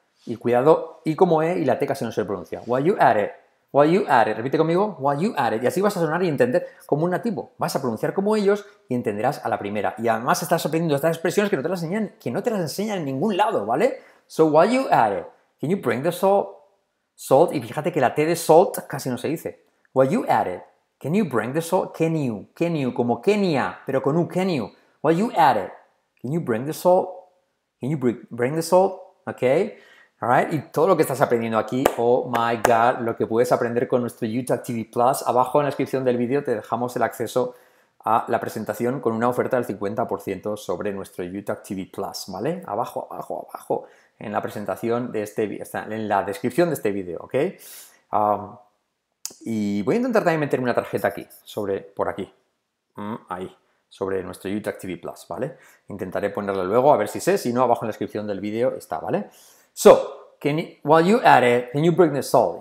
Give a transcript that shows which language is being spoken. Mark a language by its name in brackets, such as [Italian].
[Spanish] Y cuidado, y como e y la teca se no se pronuncia. [English] While you are at it, while you are at it, [Spanish] repite conmigo, while you are at it, y así vas a sonar y entender como un nativo. Vas a pronunciar como ellos y entenderás a la primera. Y además estás aprendiendo estas expresiones que no te las enseñan, que no te las enseñan en ningún lado, ¿vale? [English] So, while you are at it, can you bring the salt? Salt, [Spanish] y fíjate que la T de salt casi no se dice. [English] While you at it, can you bring the salt? Can you, [Spanish] como Kenia, pero con un [English] can you. While you at it, can you bring the salt? Can you bring the salt? Okay, all right. [Spanish] Y todo lo que estás aprendiendo aquí, [English] oh my God, [Spanish] lo que puedes aprender con nuestro YouTube TV Plus. Abajo en la descripción del vídeo te dejamos el acceso a la presentación con una oferta del 50% sobre nuestro YouTube TV Plus, ¿vale? Abajo, abajo, abajo. En la presentación de este vídeo, en la descripción de este vídeo, ¿ok? Y voy a intentar también meterme una tarjeta aquí, sobre, por aquí, ahí, sobre nuestro YouTube TV Plus, ¿vale? Intentaré ponerla luego, a ver si sé, si no, abajo en la descripción del vídeo está, ¿vale? [English] So, can you, while you at it, can you bring the salt?